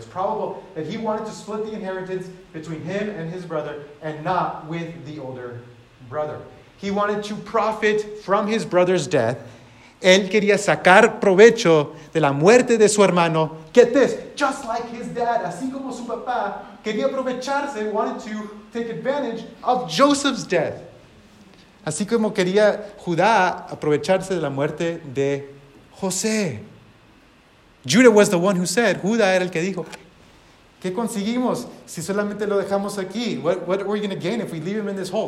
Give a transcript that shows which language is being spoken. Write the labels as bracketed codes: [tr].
[en] It's probable that he wanted to split the inheritance between him and his brother and not with the older brother. He wanted to profit from his brother's death. [es] Él quería sacar provecho de la muerte de su hermano. [en] Get this, just like his dad, [es] así como su papá, quería aprovecharse, [en] wanted to take advantage of Joseph's death. [es] Así como quería Judá aprovecharse de la muerte de José. [en] Judah was the one who said, [es] Judah era el que dijo, ¿qué conseguimos si solamente lo dejamos aquí? [en] What are we going to gain if we leave him in this hole?